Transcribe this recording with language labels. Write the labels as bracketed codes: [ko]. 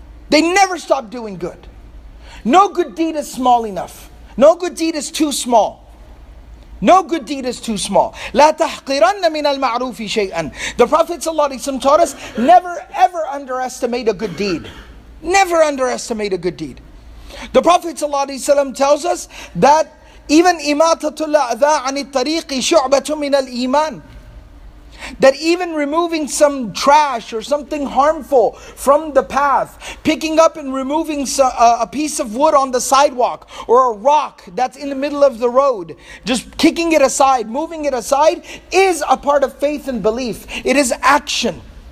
[en] They never stop doing good. No good deed is small enough. No good deed is too small. No good deed is too small. [ar] لَا تَحْقِرَنَّ مِنَ الْمَعْرُوفِ شَيْئًا. [en] The Prophet ﷺ taught us, never ever underestimate a good deed. Never underestimate a good deed. The Prophet ﷺ tells us that even [ar] إِمَاتَةُ الْأَذَىٰ عَنِ الطَّرِيقِ شُعْبَةٌ مِنَ الْإِيمَانِ. [en] That even removing some trash or something harmful from the path, picking up and removing a piece of wood on the sidewalk or a rock that's in the middle of the road, just kicking it aside, moving it aside, is a part of faith and belief. It is action.